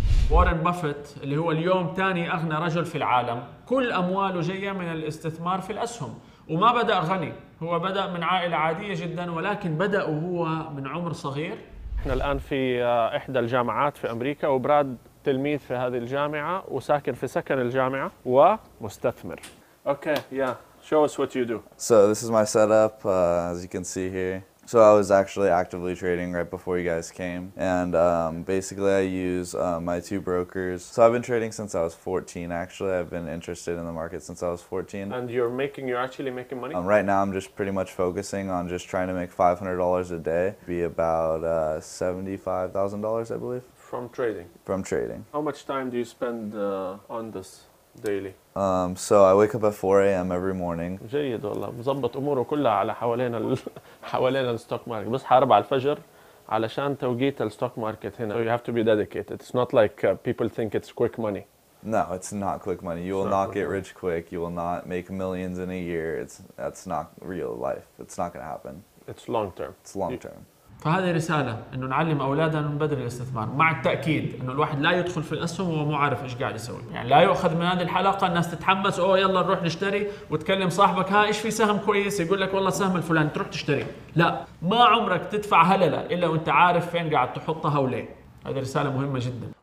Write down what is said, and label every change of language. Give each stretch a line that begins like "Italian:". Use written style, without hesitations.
Arabic: وارن بافيت اللي هو اليوم ثاني اغنى رجل في العالم كل امواله جايه من الاستثمار في الاسهم وما بدا غني هو بدا من عائله عاديه جدا ولكن بدا وهو من عمر صغير احنا الان في احدى الجامعات في امريكا وبراد تلميذ في هذه الجامعة وساكن في سكن الجامعة ومستثمر.
English: Okay, yeah. Show us what you do. So this is my setup, as you can see here. So I was actually actively trading right before you guys came, and basically I use my two brokers. So I've been trading since I was 14. Actually, I've been interested in the market since I was 14. And you're actually making money. Right now, I'm just pretty much focusing on just trying to make $500 a day, be about $75,000, I believe. From trading. How much time do you spend on this daily? So I wake up at 4 a.m. every morning.
Arabic: جيد والله مظبط أموره كلها على حوالين الستوك ماركت. بصحى 4 الفجر علشان توقيت الستوك ماركت هنا.
English: So you have to be dedicated. It's not like people think it's quick money. No, it's not quick money. You will not get rich quick. You will not make millions in a year. That's not real life. It's not going to happen. It's long term.
Arabic: فهذه رسالة إنه نعلم أولادنا من بدري الاستثمار مع التأكيد إنه الواحد لا يدخل في الأسهم وهو مو عارف إيش قاعد يسوي يعني لا يؤخذ من هذه الحلقة الناس تتحمس أوه يلا نروح نشتري وتكلم صاحبك ها إيش في سهم كويس يقول لك والله سهم الفلان تروح تشتري لا ما عمرك تدفع هللة إلا وأنت عارف فين قاعد تحطها وليه هذه رسالة مهمة جدا